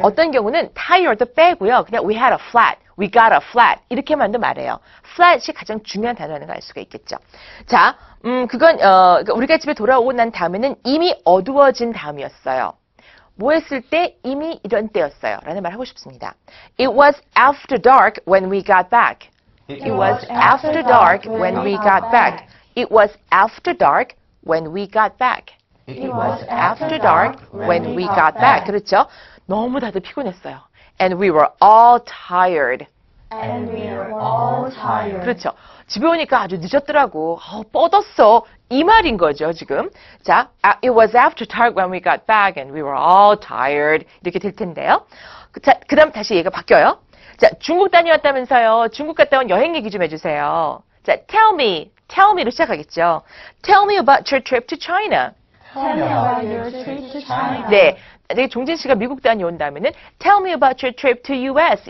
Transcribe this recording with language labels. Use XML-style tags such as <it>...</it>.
<ko>어떤 경우는</ko> <en>tire도</en> <ko>빼고요. 그냥</ko> <en>we had a flat. We got a flat.</en> <ko>이렇게만도 말해요. flat이 가장 중요한 단어라는 걸 알 수가 있겠죠. 자, 그건 우리가 집에 돌아오고 난 다음에는 이미 어두워진 다음이었어요. 뭐 했을 때 이미 이런 때였어요. 라는 말 하고 싶습니다.</ko> <en>It was after dark when we got back. It was after dark when we got back. It was after dark when we got back. It was after dark when we got back.</en> <ko>그렇죠? 너무 다들 피곤했어요.</ko> <en>And we were all tired. And we were all tired.</en> <ko>그렇죠. 집에 오니까 아주 늦었더라고. 어, 뻗었어. 이 말인 거죠, 지금.</ko> <en>자, it was after dark when we got back and we were all tired.</en> <ko>이렇게 될 텐데요. 자, 그 다음 다시 얘기가 바뀌어요. 자, 중국 다녀왔다면서요. 중국 갔다 온 여행 얘기 좀 해주세요.</ko> <en>자, tell me.</en> <ko>Tell me로 시작하겠죠.</ko> <en>Tell me about your trip to China. Tell me about your trip to China.</en> <ko>네. 종진 씨가 미국 다녀온다면은</ko> <en>tell me about your trip to US.</en>